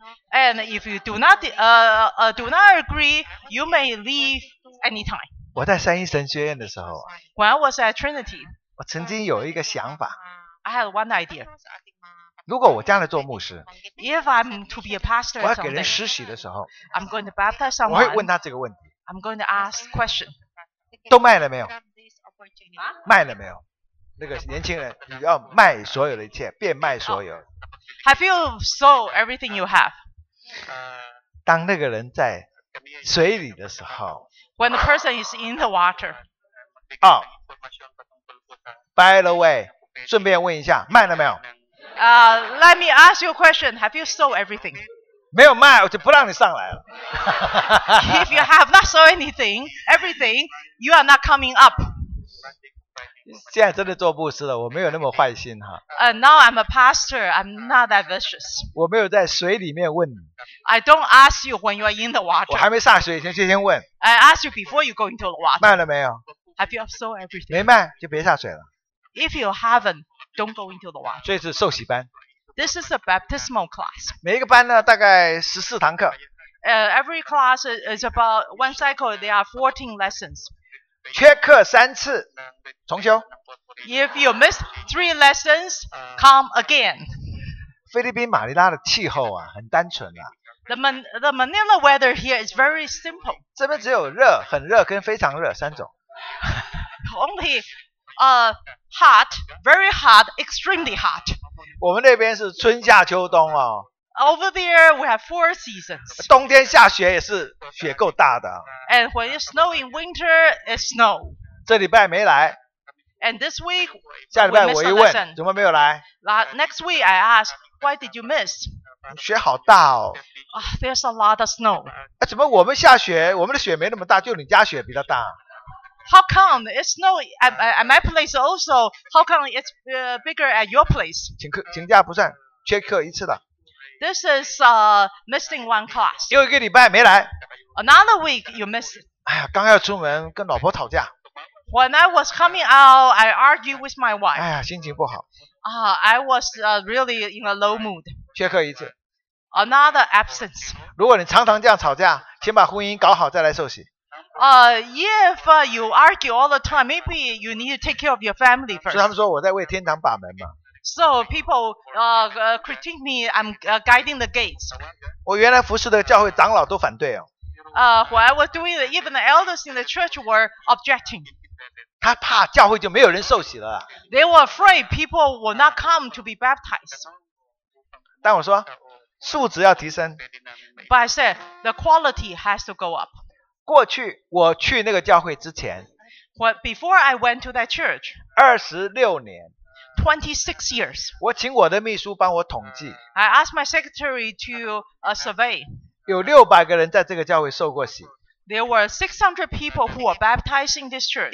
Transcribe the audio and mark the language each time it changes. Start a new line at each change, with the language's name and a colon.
English: And if you do not agree, you may leave anytime.
Chinese: 我在三一神学院的时候。
English: When I was at Trinity.
Chinese: 我曾经有一个想法。
English: I had one idea.
Chinese: 如果我将来做牧师，
English: If I'm to be a pastor,
Chinese: 我要给人施洗的时候，
English: I'm going to baptize someone,
Chinese: 我会问他这个问题。
English: I'm going to ask question.
Chinese: 都卖了没有？卖了没有？那个年轻人，你要卖所有的一切，变卖所有。
English: Have you sold everything you have?
Chinese: 当那个人在水里的时候，
English: When the person is in the water.
Chinese: 哦。
English: By the way,
Chinese: 顺便问一下，卖了没有？
English: Let me ask you a question. Have you sold everything?
Chinese: 没有卖，我就不让你上来了。
English: If you have not sold anything, everything, you are not coming up.
Chinese: 现在真的做牧师了，我没有那么坏心哈。
English: Now I'm a pastor. I'm not that vicious.
Chinese: 我没有在水里面问你。
English: I don't ask you when you are in the water.
Chinese: 我还没下水以前就先问。
English: I ask you before you go into the water.
Chinese: 卖了没有？
English: Have you sold everything?
Chinese: 没卖，就别下水了。
English: If you haven't, don't go into the water.
Chinese: 这是受洗班。
English: This is a baptismal class.
Chinese: 每一个班呢，大概14堂课。
English: Every class is about one cycle. There are 14 lessons.
Chinese: 缺课三次，重修。
English: If you miss three lessons, come again.
Chinese: 菲律宾马尼拉的气候啊，很单纯啊。
English: The Manila weather here is very simple.
Chinese: 这边只有热、很热跟非常热三种。
English: Only, hot, very hot, extremely hot.
Chinese: 我们那边是春夏秋冬哦。
English: Over there, we have four seasons.
Chinese: 冬天下雪也是雪够大的。
English: And when it's snow in winter, it's snow.
Chinese: 这礼拜没来。
English: And this week,
Chinese: 下礼拜我一问，怎么没有来？
English: Next week, I ask, why did you miss?
Chinese: 雪好大哦。
English: There's a lot of snow.
Chinese: 怎么我们下雪，我们的雪没那么大，就你家雪比较大？
English: How come it's snow at my place also? How come it's bigger at your place?
Chinese: 请假不算，缺课一次的。
English: This is missing one class.
Chinese: 又一个礼拜没来。
English: Another week you miss.
Chinese: 哎呀，刚要出门跟老婆吵架。
English: When I was coming out, I argued with my wife.
Chinese: 哎呀，心情不好。
English: I was really in a low mood.
Chinese: 缺课一次。
English: Another absence.
Chinese: 如果你常常这样吵架，先把婚姻搞好再来受洗。
English: If you argue all the time, maybe you need to take care of your family first.
Chinese: 所以他们说我在为天堂把门嘛。
English: So people critique me, I'm guiding the gates.
Chinese: 我原来服侍的教会长老都反对哦。
English: When I was doing it, even the elders in the church were objecting.
Chinese: 他怕教会就没有人受洗了。
English: They were afraid people will not come to be baptized.
Chinese: 但我说，素质要提升。
English: But I said the quality has to go up.
Chinese: 过去我去那个教会之前
English: Before I went to that church
Chinese: 26年
English: 26 years
Chinese: 我请我的秘书帮我统计
English: I asked my secretary to survey
Chinese: 有600个人在这个教会受过洗
English: There were 600 people who were baptized in this church.